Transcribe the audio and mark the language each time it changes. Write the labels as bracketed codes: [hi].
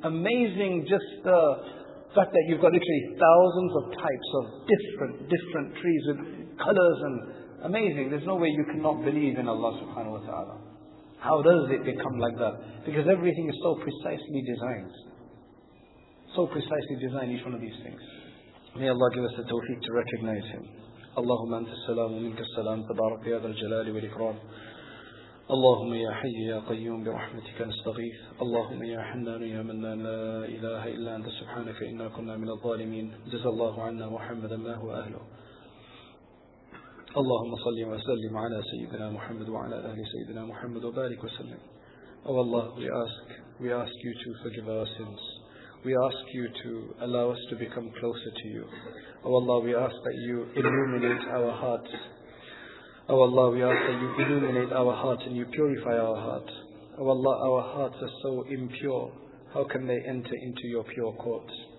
[en] Amazing just the fact that you've got literally thousands of types of different trees with colors and amazing. There's no way you cannot believe in Allah subhanahu wa ta'ala. How does it become like that? Because everything is so precisely designed. So precisely designed, each one of these things. May Allah give us the tawfiq to recognize Him. [ar] Allahumma anta salamu minka salam tabarak ya dal jalali wal ikram. اللهم يا حي يا قيوم برحمتك نستغيث اللهم يا حنان يا منان لا إله إلا أنت سبحانك إنا كنا من الظالمين جزا الله عنا محمدا ما هو أهله اللهم صل وسلم على سيدنا محمد وعلى أهل سيدنا محمد وبارك وسلم [en] Oh Allah, we ask you to forgive our sins. We ask you to allow us to become closer to you. Oh Allah, we ask that you illuminate our hearts. Oh Allah, we ask that you illuminate our hearts and you purify our hearts. Oh Allah, our hearts are so impure. How can they enter into your pure courts?